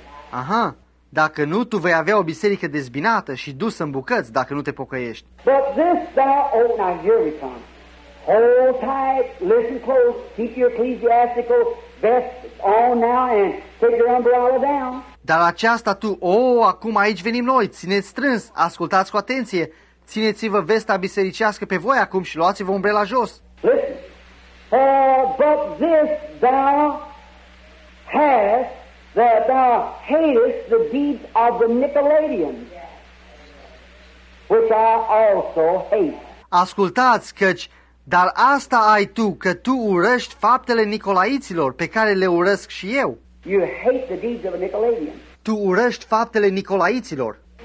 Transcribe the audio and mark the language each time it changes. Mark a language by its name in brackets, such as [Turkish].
[Romanian] Aha, dacă nu, tu vei avea o biserică dezbinată și dusă în bucăți dacă nu te pocăiești. [English] But this thou, oh, now here we come. Hold tight, listen close, keep your ecclesiastical vest on now and take your umbrella down. [Romanian] Dar aceasta tu, acum aici venim noi, țineți strâns, ascultați cu atenție, țineți-vă vesta bisericească pe voi acum și luați-vă umbrela jos. [English] But this thou hast, that thou hatest the deeds of the Nicolaitans, which I also hate. [Romanian] Ascultați, căci, dar asta ai tu, că tu urăști faptele nicolaiților, pe care le urăsc și eu. [English] You hate the deeds of a Nicolaitan. [Romanian] Tu urăști faptele nicolaiților.